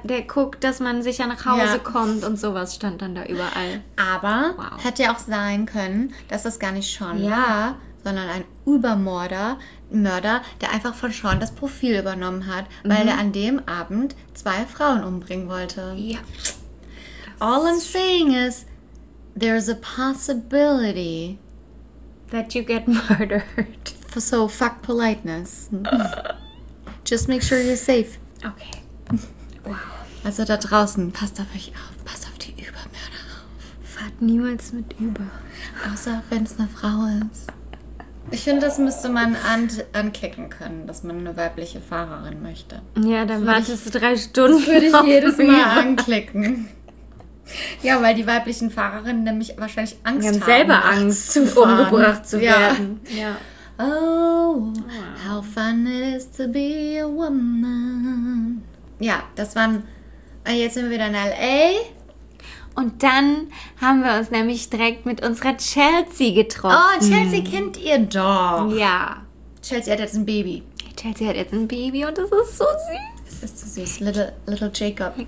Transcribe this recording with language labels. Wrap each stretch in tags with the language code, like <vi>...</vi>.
<de>Der guckt, dass man sicher nach Hause kommt und sowas stand dann da überall. Aber hätte ja auch sein können, dass das gar nicht Sean war, sondern ein Mörder, der einfach von Sean das Profil übernommen hat, weil er an dem Abend 2 Frauen umbringen wollte. Ja.</de> <en>All I'm saying is, there's a possibility that you get murdered. So, fuck politeness. Just make sure you're safe. Okay. Wow.</en> <de>Also da draußen, passt auf euch auf. Passt auf die Übermörder auf. Fahrt niemals mit Über. Außer wenn es eine Frau ist. Ich finde, das müsste man anklicken können, dass man eine weibliche Fahrerin möchte. Ja, dann wartest du 3 Stunden. Das würde ich jedes Mal anklicken. Ja, weil die weiblichen Fahrerinnen nämlich wahrscheinlich Angst haben. Wir haben selber Angst, umgebracht zu werden. Ja.</de> <en>Oh, how fun it is to be a woman.</en> <de>Ja, das waren... Jetzt sind wir wieder in L.A. Und dann haben wir uns nämlich direkt mit unserer Chelsea getroffen. Oh, Chelsea kennt ihr doch. Ja. Chelsea hat jetzt ein Baby. Chelsea hat jetzt ein Baby und das ist so süß. Das ist so süß. Little Jacob.</de>